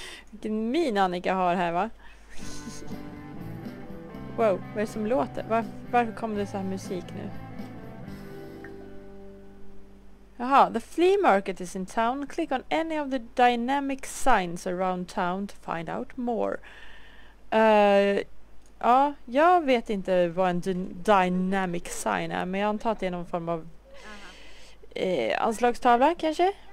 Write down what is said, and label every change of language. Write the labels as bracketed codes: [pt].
[sv] Vilken min Annika har här, va? Wow, vad är det som låter? Varför kom det så här musik nu? Jaha, [en] the flea market is in town. Click on any of the dynamic signs around town to find out more. [sv] Ja, jag vet inte vad en dynamic sign är, men jag antar att det är någon form av anslagstavla, kanske?